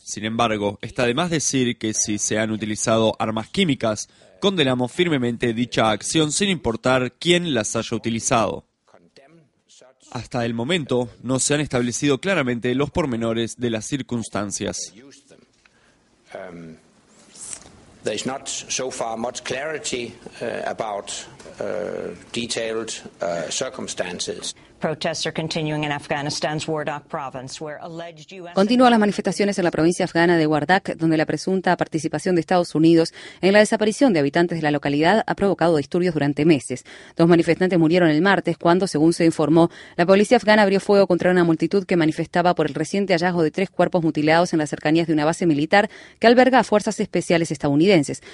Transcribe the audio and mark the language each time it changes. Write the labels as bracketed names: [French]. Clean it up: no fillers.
[Spanish] Sin embargo, está de más decir que si se han utilizado armas químicas, condenamos firmemente dicha acción sin importar quién las haya utilizado. Hasta el momento, no se han establecido claramente los pormenores de las circunstancias. [English] There's not so far much clarity about detailed circumstances. Protests are continuing in Afghanistan's Wardak province, where alleged U.S. [Spanish] Continúan las manifestaciones en la provincia afgana de Wardak, donde la presunta participación de Estados Unidos en la desaparición de habitantes de la localidad ha provocado disturbios durante meses. Dos manifestantes murieron el martes cuando, según se informó, la policía afgana abrió fuego contra una multitud que manifestaba por el reciente hallazgo de tres cuerpos mutilados en las cercanías de una base militar que alberga a fuerzas especiales estadounidenses.